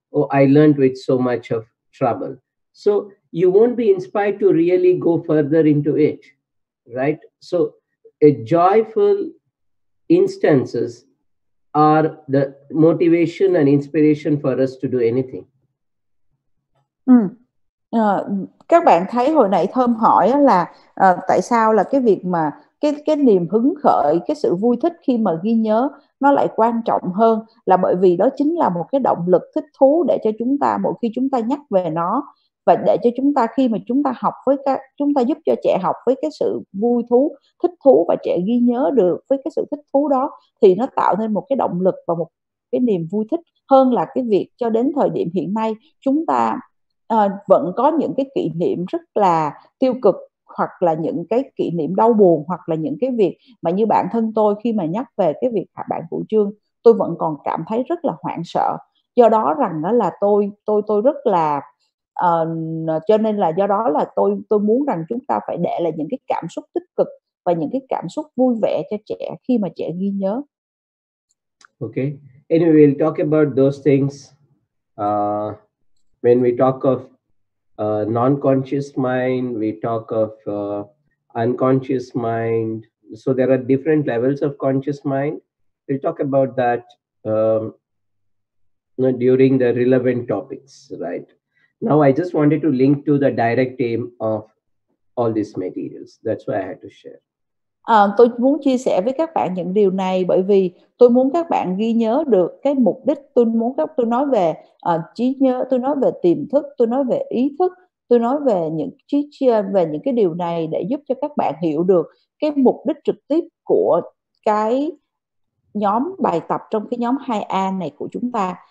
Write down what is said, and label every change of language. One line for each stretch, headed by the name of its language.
English: Oh, I learned with so much of trouble. So you won't be inspired to really go further into it, right? So a joyful instances are the motivation and inspiration for us to do anything.
Vietnamese: Các bạn thấy hồi nãy Thơm hỏi là tại sao là cái việc mà cái niềm hứng khởi, cái sự vui thích khi mà ghi nhớ nó lại quan trọng hơn, là bởi vì đó chính là một cái động lực thích thú để cho chúng ta mỗi khi chúng ta nhắc về nó, và để cho chúng ta khi mà chúng ta học với các, chúng ta giúp cho trẻ học với cái sự vui thú, thích thú, và trẻ ghi nhớ được với cái sự thích thú đó, thì nó tạo nên một cái động lực và một cái niềm vui thích hơn là cái việc cho đến thời điểm hiện nay chúng ta vẫn có những cái kỷ niệm rất là tiêu cực, hoặc là những cái kỷ niệm đau buồn, hoặc là những cái việc mà như bản thân tôi khi mà nhắc về cái việc hạ bản phụ chương, tôi vẫn còn cảm thấy rất là hoảng sợ. Do đó rằng đó là tôi rất là cho nên là do đó là tôi muốn rằng chúng ta phải để lại những cái cảm xúc tích cực và những cái cảm xúc vui vẻ cho trẻ khi mà trẻ ghi nhớ.
English: Okay. Anyway, we'll talk about those things when we talk of non-conscious mind, we talk of unconscious mind. So there are different levels of conscious mind. We'll talk about that during the relevant topics, right? Now, I just wanted to link to the direct aim of all these materials. That's why I had to share.
Vietnamese: Tôi muốn chia sẻ với các bạn những điều này bởi vì tôi muốn các bạn ghi nhớ được cái mục đích. Tôi muốn các tôi nói về trí nhớ, tôi nói về tiềm thức, tôi nói về ý thức, tôi nói về những trí chia, về những cái điều này để giúp cho các bạn hiểu được cái mục đích trực tiếp của cái nhóm bài tập trong cái nhóm 2A này của chúng ta.